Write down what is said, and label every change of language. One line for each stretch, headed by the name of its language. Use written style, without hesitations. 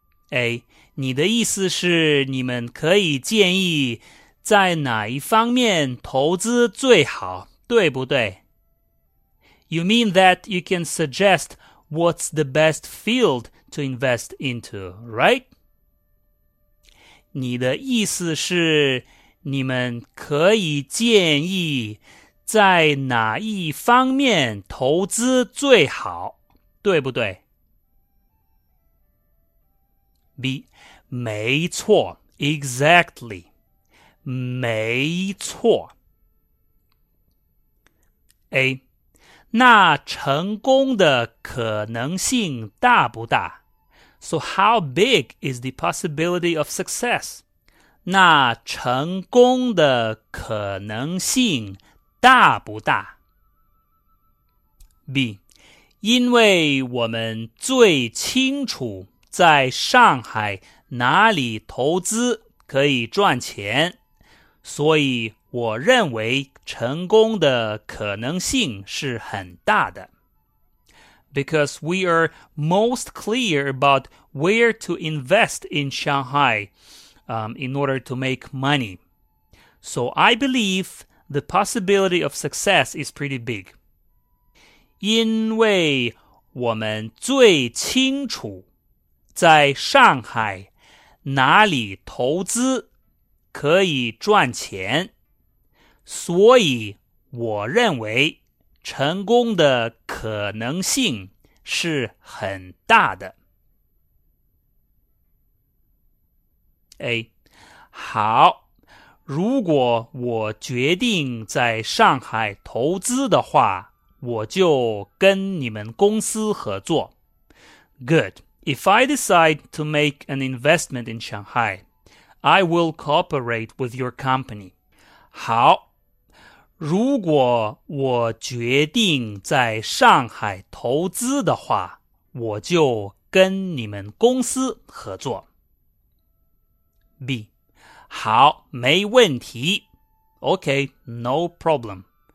Chinese: 哎，你的意思是你们可以建议在哪一方面投资最好，对不对？
English: You mean that you can suggest what's the best field to invest into, right?
Chinese: 你的意思是你们可以建议在哪一方面投资最好，对不对？ B, 没错 ,
English: exactly,
Chinese: 没错。 A, 那成功的可能性大不大
English: ?So how big is the possibility of success?
Chinese: 那成功的可能性大不大 ?B, 因为我们最清楚在上海哪里投资可以赚钱，所以我认为成功的可能性是很大的。
English: Because we are most clear about where to invest in Shanghai, in order to make money. So I believe the possibility of success is pretty big.
Chinese: 因为我们最清楚在上海哪里投资可以赚钱，所以我认为成功的可能性是很大的。 A, 好，如果我决定在上海投资的话，我就跟你们公司合作。
English: Good. If I decide to make an investment in Shanghai, I will cooperate with your company.
Chinese: 好，如果我决定在上海投资的话，我就跟你们公司合作。 B. 好，没问题。
English: Okay, no problem.